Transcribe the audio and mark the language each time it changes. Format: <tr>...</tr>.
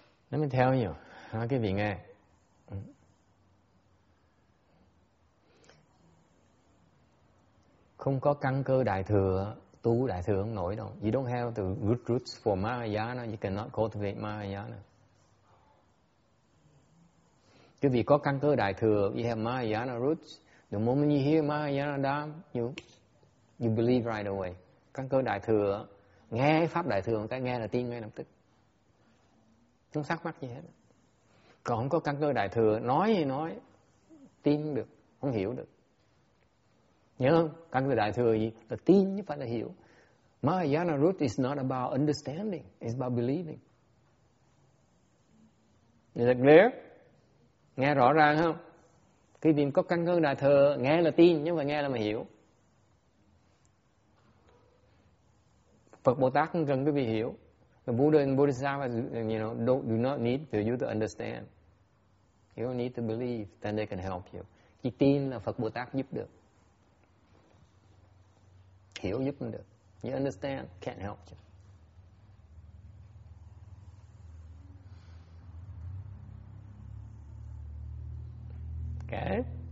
<en>Let me tell you,</en> <vi>nói cái vị nghe. Không có căn cơ đại thừa, tu đại thừa không nổi đâu.</vi> <en>You don't have the good roots for Mahayana, you cannot cultivate Mahayana.</en> <vi>Cái vị có căn cơ đại thừa,</vi> <en>you have Mahayana roots. The moment you hear Mahayana Dhamma, you believe right away.</en> <vi>Căn cơ đại thừa, nghe pháp đại thừa, cái nghe là tin ngay lập tức. Không thắc mắc gì hết. Còn không có căn cơ đại thừa, nói thì nói, tin được, không hiểu được. Nhớ không? Căn cơ đại thừa gì? Là tin chứ phải là hiểu.</vi> <en>Mahayana root is not about understanding, it's about believing. Is that clear?</en> <vi>Nghe rõ ràng không? Khi mình có căn cơ đại thừa, nghe là tin, nhưng mà nghe là mà hiểu. Phật Bồ Tát không cần cái vị hiểu.</vi> <en>The Buddha and Bodhisattva, you know, do not need for you to understand. You don't need to believe, then they can help you.</en> <vi>Chỉ tin là Phật Bồ Tát giúp được. Hiểu giúp không được.</vi> <en>You understand, can't help you. Okay?</en>